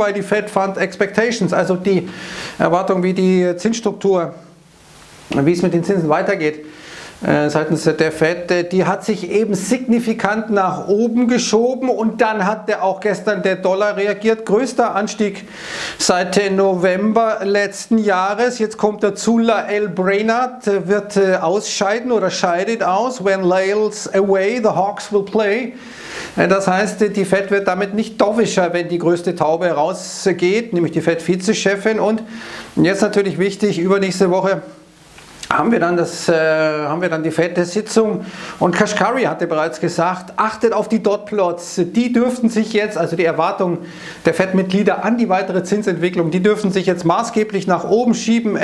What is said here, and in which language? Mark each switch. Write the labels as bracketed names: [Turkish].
[German] Weil die Fed Fund Expectations, also die Erwartung, wie die Zinsstruktur, wie es mit den Zinsen weitergeht, seitens der Fed, die hat sich eben signifikant nach oben geschoben, und dann hat der auch gestern der Dollar reagiert. Größter Anstieg seit November letzten Jahres. Jetzt kommt der Zula L. Brainard, wird ausscheiden oder scheidet aus. [English] When Lael's away, the Hawks will play. [German] Das heißt, die Fed wird damit nicht dovischer, wenn die größte Taube rausgeht, nämlich die Fed-Vizechefin. Und jetzt natürlich wichtig, übernächste Woche haben wir dann die Fed-Sitzung, und Kashkari hatte bereits gesagt, achtet auf die Dotplots, die dürften sich jetzt, also die Erwartung der Fed-Mitglieder an die weitere Zinsentwicklung, die dürften sich jetzt maßgeblich nach oben schieben.